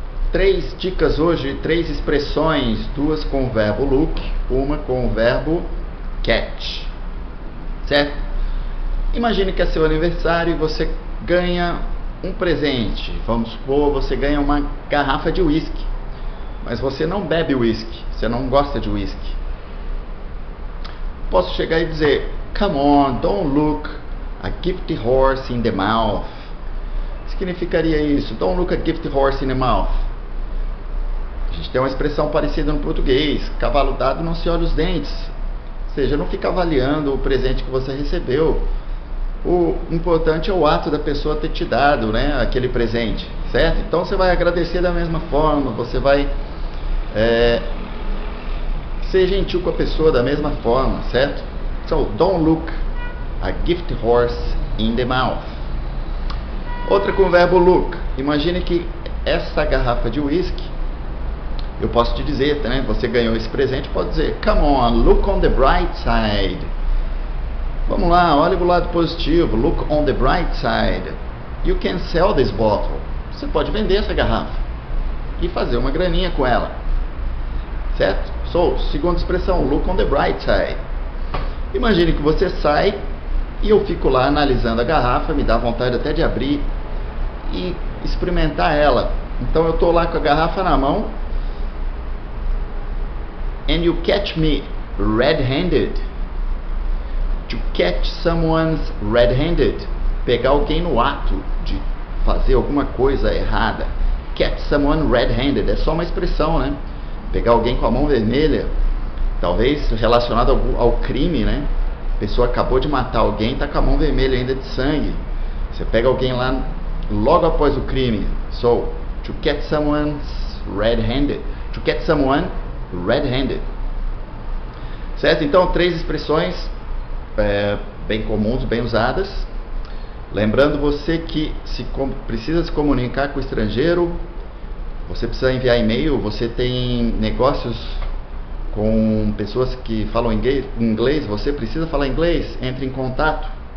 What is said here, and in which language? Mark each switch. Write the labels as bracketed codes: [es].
[pt] Três dicas hoje, três expressões, duas com o verbo look, uma com o verbo catch. Certo? Imagine que é seu aniversário e você ganha um presente. Vamos supor, você ganha uma garrafa de uísque, mas você não bebe uísque, você não gosta de uísque. Posso chegar e dizer, [en] come on, don't look a gift horse in the mouth. [pt] Significaria isso? [en] Don't look a gift horse in the mouth. [pt] A gente tem uma expressão parecida no português: cavalo dado não se olha os dentes. Ou seja, não fica avaliando o presente que você recebeu. O importante é o ato da pessoa ter te dado, né, aquele presente, certo? Então você vai agradecer da mesma forma, você vai ser gentil com a pessoa da mesma forma, certo? [en] So, don't look a gift horse in the mouth. [pt] Outra com o verbo look. Imagine que essa garrafa de uísque, eu posso te dizer, né? Você ganhou esse presente, pode dizer, [en] come on, look on the bright side. [pt] Vamos lá, olha o lado positivo, [en] look on the bright side. You can sell this bottle. [pt] Você pode vender essa garrafa e fazer uma graninha com ela. Certo? So, segunda expressão, [en] look on the bright side. [pt] Imagine que você sai e eu fico lá analisando a garrafa, me dá vontade até de abrir e experimentar ela. Então eu estou lá com a garrafa na mão. [en] And you catch me red-handed. To catch someone's red-handed. [pt] Pegar alguém no ato de fazer alguma coisa errada. [en] Catch someone red-handed. [pt] É só uma expressão, né? Pegar alguém com a mão vermelha. Talvez relacionado ao crime, né? A pessoa acabou de matar alguém, tá com a mão vermelha ainda de sangue. Você pega alguém lá logo após o crime. [en] So, to catch someone's red-handed. To catch someone red-handed. [pt] Certo? Então, três expressões bem comuns, bem usadas. Lembrando você que se precisa se comunicar com o estrangeiro, você precisa enviar e-mail, você tem negócios com pessoas que falam inglês, você precisa falar inglês, entre em contato.